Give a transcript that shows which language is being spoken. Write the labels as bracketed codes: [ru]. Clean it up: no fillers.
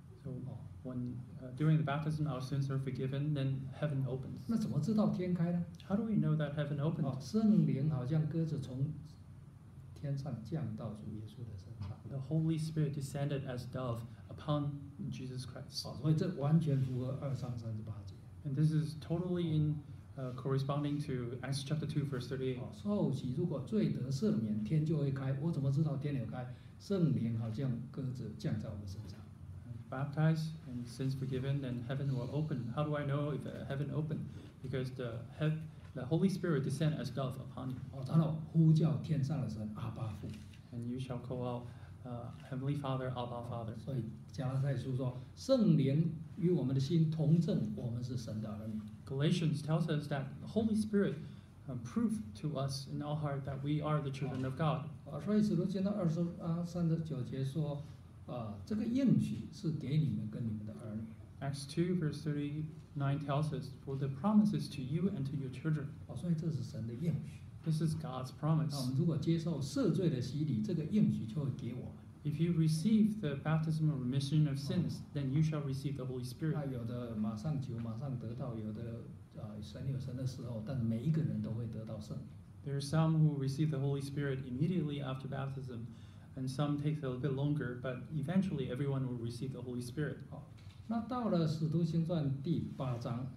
[en] So when during the baptism our sins are forgiven, then heaven opens. [zh] 那怎么知道天开呢？ [en] How do we know that heaven opened? [zh] 圣灵好像鸽子从天上降到主耶稣的身上。 [en] The Holy Spirit descended as dove upon Jesus Christ. [zh] 所以这完全符合二章三十八节。 [en] And this is totally in corresponding to Acts chapter 2 verse 38. [zh] 受洗如果罪得赦免，天就会开。我怎么知道天有开？圣灵好像鸽子降在我们身上。 [en] Baptized and sins forgiven, then heaven will open. How do I know if heaven opened? Because the Holy Spirit descend as dove upon you. [zh] 然后呼叫天上的神阿爸父。 [en] And you shall call out Heavenly Father, Abba Father. [zh] 所以加拉太书说，圣灵与我们的心同证，我们是神的儿女。 [en] Galatians tells us that the Holy Spirit prove to us in our heart that we are the children of God. [zh] 所以使徒行传二十三十九节说，这个应许是给你们跟你们的儿女。 [en] Acts 2 verse 38. 9 tells us, for the promises to you and to your children. [zh] 哦，所以这是神的应许。 [en] This is God's promise. [zh] 那我们如果接受赦罪的洗礼，这个应许就会给我们。 [en] If you receive the baptism of remission of sins, then you shall receive the Holy Spirit. [zh] 那有的马上求，马上得到；有的神有神的时候，但是每一个人都会得到圣灵。 [en] There are some who receive the Holy Spirit immediately after baptism, and some take a little bit longer, but eventually everyone will receive the Holy Spirit. [zh] 好，那到了《使徒行传》第八章